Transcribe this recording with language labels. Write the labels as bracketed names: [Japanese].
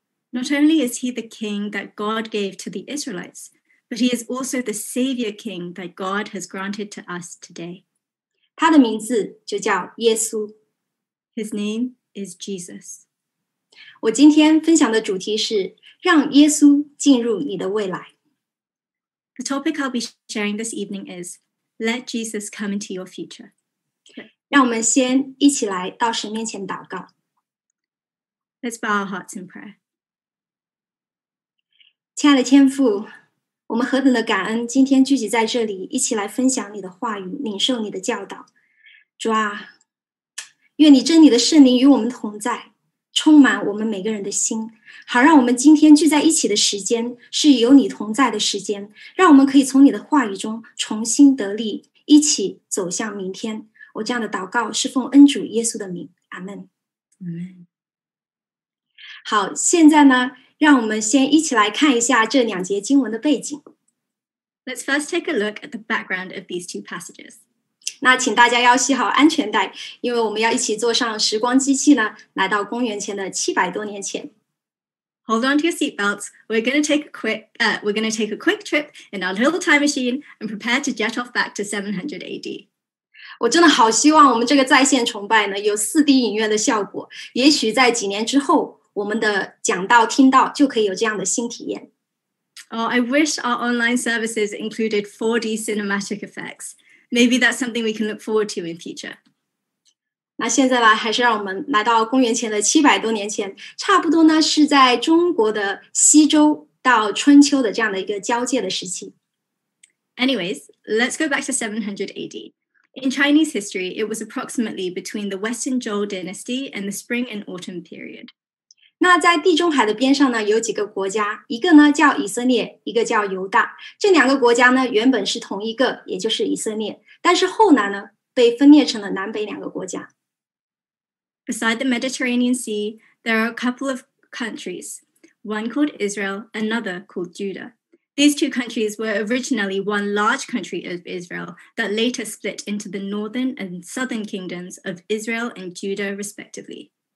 [English] Not only is he the king that God gave to the Israelites, but he is also the savior king that God has granted to us today. [Chinese] 他的名字就叫耶稣。 [English] His name is Jesus. [Chinese] 我今天分享的主题是让耶稣进入你的未来。 [English] The topic I'll be sharing this evening is Let Jesus come into your future. [Chinese] 让我们先一起来到神面前祷告。 [English] Let's bow our hearts in prayer. [Chinese] 亲爱的天父，我们何等的感恩，今天聚集在这里，一起来分享你的话语，领受你的教导。主啊，愿你真理的圣灵与我们同在，充满我们每个人的心，好让我们今天聚在一起的时间是有你同在的时间，让我们可以从你的话语中重新得力，一起走向明天。我这样的祷告是奉恩主耶稣的名，阿们。好，现在呢，让我们先一起来看一下这两节经文的背景。 [English] Let's first take a look at the background of these two passages. [Chinese] 那请大家要系好安全带，因为我们要一起坐上时光机器呢，来到公元前的700多年前。 [English] Hold on to your seatbelts. We're going to take a quick trip in our little time machine and prepare to jet off back to 700 AD. [Chinese] 我真的好希望我们这个在线崇拜呢有 4D 影院的效果，也许在几年之后我们的讲道听到就可以有这样的新体验。 [English] Oh, I wish our online services included 4D cinematic effects. Maybe that's something we can look forward to in future. [Chinese] 那现在呢，还是让我们来到公元前的700多年前，差不多呢是在中国的西周到春秋的这样的一个交界的时期。 [English] Anyways, let's go back to 700 AD. In Chinese history, it was approximately between the Western Zhou Dynasty and the Spring and Autumn period. [Chinese] 那在地中海的边上呢，有几个国家，一个呢叫以色列，一个叫犹大。这两个国家呢，原本是同一个，也就是以色列，但是后来呢，被分裂成了南北两个国家。 [English] Beside the Mediterranean Sea, there are a couple of countries, one called Israel, another called Judah. These two countries were originally one large country of Israel that later split into the northern and southern kingdoms of Israel and Judah, respectively.